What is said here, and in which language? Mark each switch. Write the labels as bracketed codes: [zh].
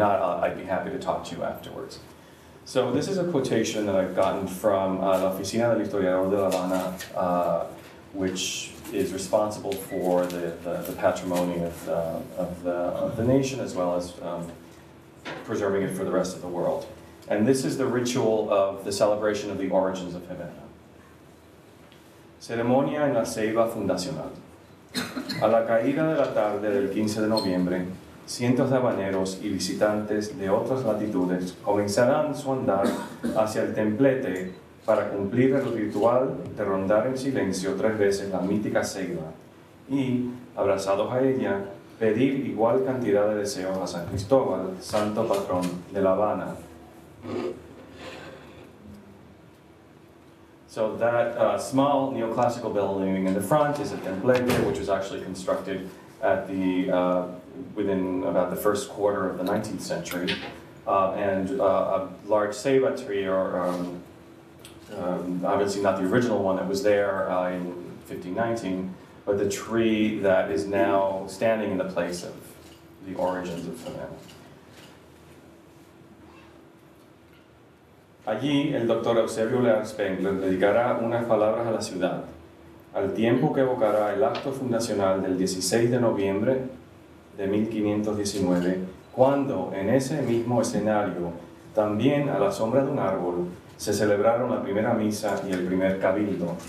[en] I'd be happy to talk to you afterwards. So this is a quotation that I've gotten from La Oficina del Historiador de La Habana, which is responsible for the patrimony of the nation, as well as preserving it for the rest of the world. And this is the ritual of the celebration of the origins of Havana. [es] Ceremonia en la ceiba fundacional. A la caída de la tarde del 15 de noviembre, cientos de habaneros y visitantes de otras latitudes comenzarán su andar hacia el templete para cumplir el ritual de rondar en silencio tres veces la mítica ceiba y, abrazados a ella, pedir igual cantidad de deseos a San Cristóbal, santo patrón de La Habana. [en] So that small neoclassical building in the front is a templete, which was actually constructed at the within about the first quarter of the 19th century, and a large ceiba tree, or obviously not the original one that was there in 1519, but the tree that is now standing in the place of the origins of Havana. [es] Allí, el doctor Eusebio Leal Spengler dedicará unas palabras a la ciudad, al tiempo que evocará el acto fundacional del 16 de noviembre de 1519, cuando, en ese mismo escenario, también a la sombra de un árbol, se celebraron la primera misa y el primer cabildo.